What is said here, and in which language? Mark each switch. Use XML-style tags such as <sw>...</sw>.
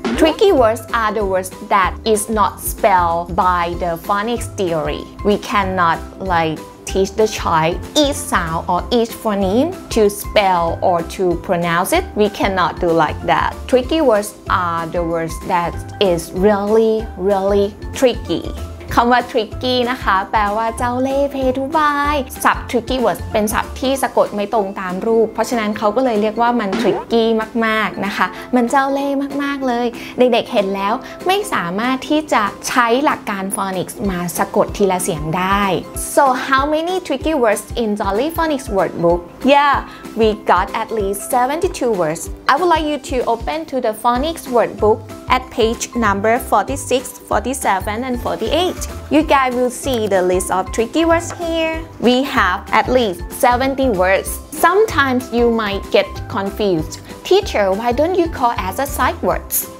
<en>Tricky words are the words that is not spelled by the phonics theory. We cannot like teach the child each sound or each phoneme to spell or to pronounce it. We cannot do like that. Tricky words are the words that is really, really tricky.</en> <th>คำว่า tricky นะคะแปลว่าเจ้าเล่ห์เพทุบายศัพท์ tricky word เป็นศัพท์ที่สะกดไม่ตรงตามรูปเพราะฉะนั้นเขาก็เลยเรียกว่ามัน tricky มากๆนะคะมันเจ้าเล่ห์มากๆเลยเด็กๆเห็นแล้วไม่สามารถที่จะใช้หลักการ phonics มาสะกดทีละเสียงได้</th> <en>So how many tricky words in Jolly Phonics Workbook? Yeah, we got at least 72 words. I would like you to open to the phonics workbook at page number 46, 47, and 48. You guys will see the list of tricky words here. We have at least 70 words. Sometimes you might get confused. Teacher, why don't you call as a sight words?</en>